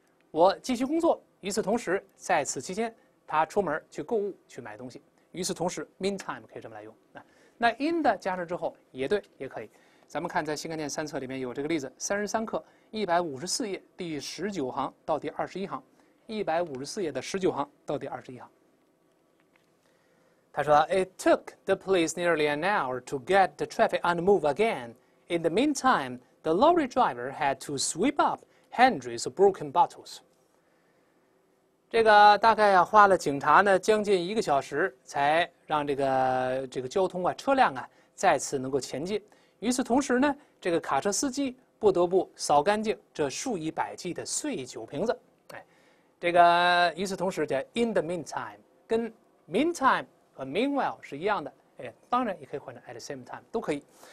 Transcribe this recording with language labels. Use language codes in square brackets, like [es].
[zh] 我继续工作，与此同时，在此期间，他出门去购物去买东西。与此同时 ，meantime 可以这么来用啊。那 in 的加上之后也对，也可以。咱们看在新概念三册里面有这个例子，33课154页第19行到第21行。 154页的19行到第21行，他说 [en] ：“It took the police nearly an hour to get the traffic on the move again. In the meantime, the lorry driver had to sweep up hundreds of broken bottles.” [zh] 这个大概啊，花了警察呢将近一个小时，才让这个交通啊车辆啊再次能够前进。与此同时呢，这个卡车司机不得不扫干净这数以百计的碎酒瓶子。这个与此同时叫 [en] in the meantime， [zh] 跟 meantime 和 meanwhile 是一样的，哎，当然也可以换成 [en] at the same time， [zh] 都可以。